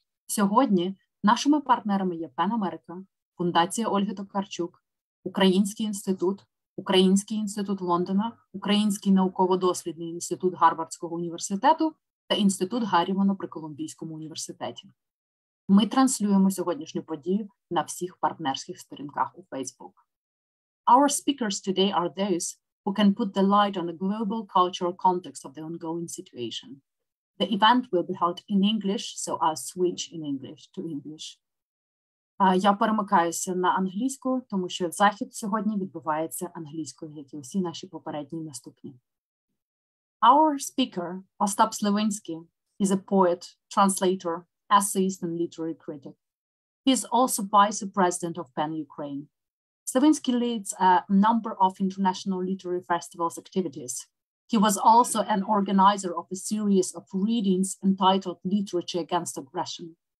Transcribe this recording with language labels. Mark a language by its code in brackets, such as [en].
[uk] Сьогодні нашими партнерами є ПЕН Америка, Фундація Ольги Токарчук, Український інститут, Український інститут Лондона, Український науково-дослідний інститут Гарвардського університету та Інститут Гаррімана при Колумбійському університеті. Ми транслюємо сьогоднішню подію на всіх партнерських сторінках у Facebook. [en] Our speakers today are those who can put the light on the global cultural context of the ongoing situation. The event will be held in English, so I'll switch in English to English. [uk] Я перемикаюся на англійську, тому що захід сьогодні відбувається англійською, як і всі наші попередні наступні. [en] Our speaker, Ostap Slyvynsky, is a poet, translator, essayist, and literary critic. He is also vice president of PEN Ukraine. Slyvynsky leads a number of international literary festivals activities. He was also an organizer of a series of readings entitled Literature Against Aggression.